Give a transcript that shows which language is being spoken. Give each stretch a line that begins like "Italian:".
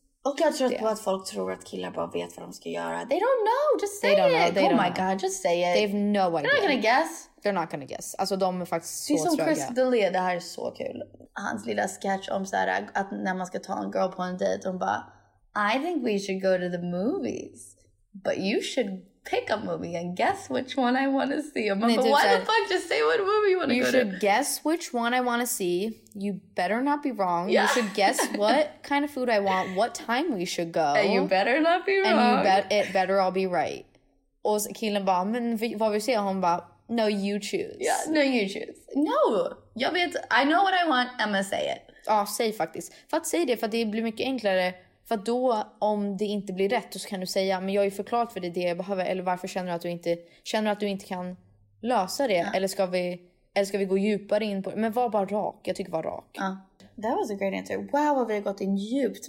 Swedish: Och jag tror på att folk tror att killar bara vet vad de ska göra.
English: They don't know, just say They don't know. Just say it. They have no idea. They're not gonna guess. They're not gonna guess.
Swedish: Alltså de är faktiskt så tröga. Det är som Chris D'Elia, det här är så kul. Hans lilla sketch om så här, att när man ska ta en girl på en date, hon bara,
English: I think we should go to the movies. But you should pick a movie and guess which one I want to see. Man, but why the fuck, just say what movie you want to go to. You should guess which one I want to see. You better not be wrong. Yeah. You should guess what kind of food I want, what time we should go. And you better not be wrong. And you better all be right.
Swedish: Och så killen bara, men vad vill säga? Hon bara,
English: no, you choose. Yeah, no, you choose. No,
Swedish: jag vet,
English: I know what I want, I'm gonna say it.
Swedish: Ja, säg faktiskt. För att säga det, för det blir mycket enklare. För då, om det inte blir rätt, så kan du säga, men jag har ju förklarat för dig det jag behöver. Eller varför känner du att du inte kan lösa det? Ja. Eller ska vi gå djupare in på det? Men var bara rak. Jag tycker var rak. Ja.
English: That was a great answer.
Swedish: Wow, vad vi har gått in djupt.